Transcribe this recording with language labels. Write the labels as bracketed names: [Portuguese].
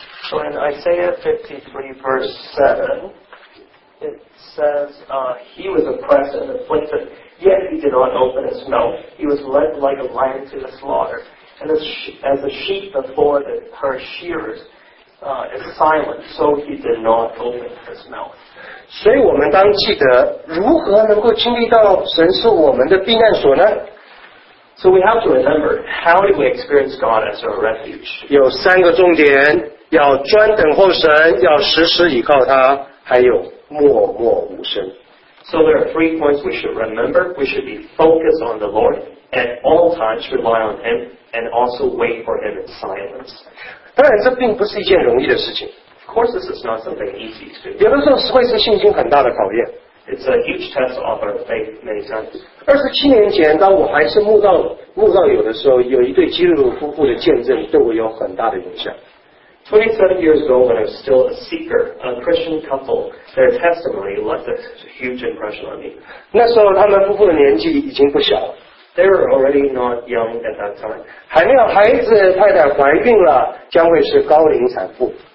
[English] So in Isaiah 53 verse 7 it says he was oppressed and afflicted, yet he did not open his mouth. He was led like a lion to the slaughter, and as a sheep before her shearers is silent, so he did not open his mouth. [Chinese] 所以我们当记得如何能够经历到神是我们的避难所呢？ [English] So we have to remember, how do we experience God as our refuge? [Chinese] 有三个重点，要专等候神，要时时倚靠他，还有默默无声。 [English] So there are three points we should remember. We should be focused on the Lord, at all times rely on Him, and also wait for Him in silence. [Chinese] 当然这并不是一件容易的事情。 [English] Of course, this is not something easy to do. [Chinese] 有的时候会是信心很大的考验。 [English] It's a huge test of our faith many times. [Chinese] 27年前，当我还是穆道友的时候，有一对基督徒夫妇的见证对我有很大的影响。 [English] 27 years ago, when I was still a seeker, a Christian couple, their testimony left a huge impression on me. [Chinese] 那时候他们夫妇的年纪已经不小了。 [English] They were already not young at that time. [Chinese] 还没有孩子，太太怀孕了，将会是高龄产妇。